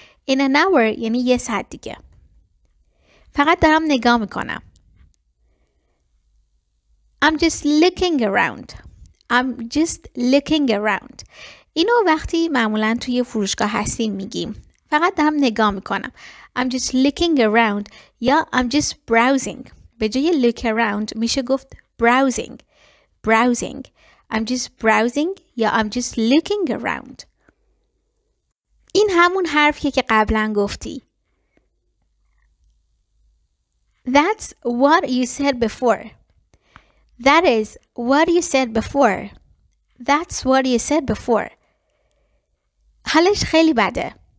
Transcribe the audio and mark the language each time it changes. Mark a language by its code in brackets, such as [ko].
[en] In an hour [fa] یعنی یه ساعت دیگه. فقط دارم نگاه میکنم. [en] I'm just looking around. I'm just looking around. [fa] اینو وقتی معمولا توی فروشگاه هستیم میگیم. فقط دارم نگاه میکنم. [en] I'm just looking around یا I'm just browsing. [fa] به جای [en] look around [fa] میشه گفت browsing. Browsing. [en] I'm just browsing یا I'm just looking around. [fa] این همون حرفیه که قبلا گفتی. [en] That's what you said before. That is what you said before. That's what you said before. [fa] حالش خیلی بده.